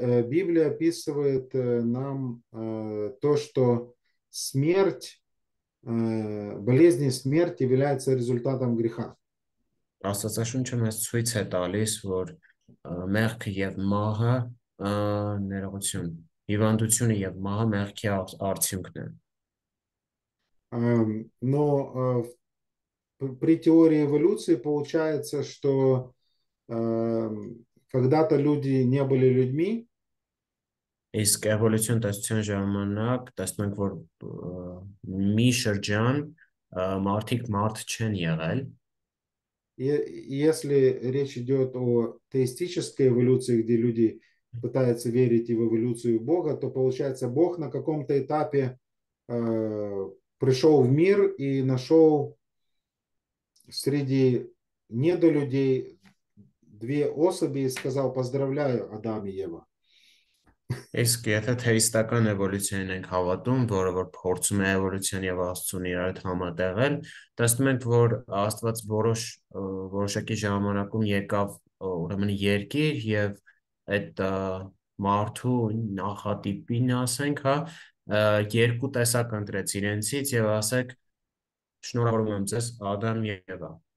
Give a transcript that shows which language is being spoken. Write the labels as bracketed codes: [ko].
[ru] Библия описывает нам то, что смерть болезнь и смерть является результатом греха. [hy] Աստվածաշունչը մեզ ցույց է տալիս, որ մեղքը եւ մահը ներողություն, հիվանդությունը եւ մահը մեղքի արդյունքն են։ [ru] Но при теории эволюции получается, что когда-то люди не были людьми. [hy] Իսկ էվոլյուցիոն տեսության ժամանակ տեսնենք, որ մի շրջան մարդիկ մարդ չեն եղել։ [ru] Если речь идет о теистической эволюции, где люди пытаются верить и в эволюцию Бога, то получается, Бог на каком-то этапе пришел в мир и нашел среди недолюдей две особи и сказал: «Поздравляю, Адам и Ева». [hy] Իսկ եթե թեիստական էվոլյուցիան ենք հավատում, որը որ փորձում է էվոլյուցիան եւ աստծուն իր այդ համատեղել, տեսնում ենք, որ աստված որոշակի ժամանակում եկավ, ուրեմն երկիր եւ այդ մարդու նախատիպին, ասենք, հա, երկու տեսակ ընտրեց իրենցից եւ ասեք, շնորհավորում եմ ձեզ, Ադամ եւ Եվա։